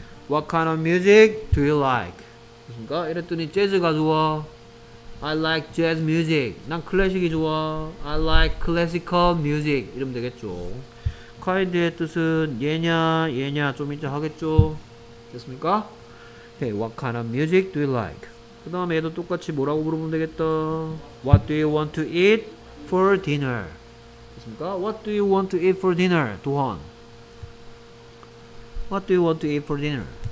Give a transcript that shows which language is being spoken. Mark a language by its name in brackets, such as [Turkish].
[English] What kind of music do you like? [Korean] 그니까 이랬더니 재즈가 좋아. [English] I like jazz music. [Korean] 난 클래식이 좋아. [English] I like classical music. [Korean] 이러면 되겠죠. 카인드의 뜻은 얘냐 얘냐 좀 이제 하겠죠. 됐습니까? [English] Hey, what kind of music do you like? [Korean] 그 다음에 얘도 똑같이 뭐라고 물어보면 되겠다. [English] What do you want to eat for dinner? [Korean] 됐습니까? [English] What do you want to eat for dinner? [Korean] 도헌. [English] What do you want to eat for dinner?